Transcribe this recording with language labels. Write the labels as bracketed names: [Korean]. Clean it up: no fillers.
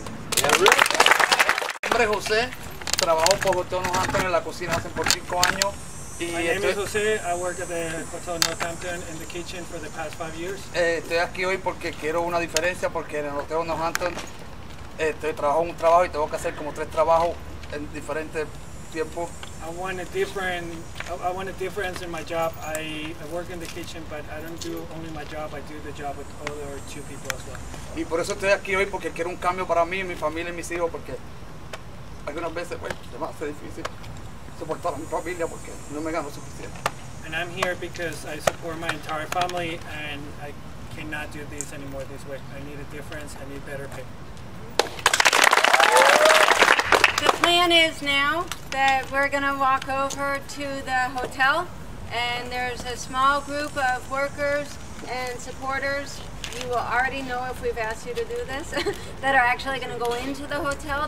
[Spanish] Mi nombre es José, trabajo por Hotel Northampton en la cocina hace por 5 años. [English] Y my name is José, I work at the Hotel Northampton in the kitchen for the past 5 years. [Spanish] Estoy aquí hoy porque quiero una diferencia, porque en el Hotel Northampton estoy trabajando un trabajo y tengo que hacer como 3 trabajos en diferentes tiempos. [English] I want a difference in my job. I work in the kitchen, but I don't do only my job. I do the job with other 2 people as well. [Spanish] Y por eso estoy aquí hoy, porque quiero un cambio para mí, mi familia y mis hijos, porque algunas veces, pues, se me hace difícil soportar a mi familia porque no me gano suficiente. [English] And I'm here because I support my entire family, and I cannot do this anymore this way. I need a difference. I need better pay. The plan is now that we're going to walk over to the hotel, and there's a small group of workers and supporters, you will already know if we've asked you to do this, that are actually going to go into the hotel.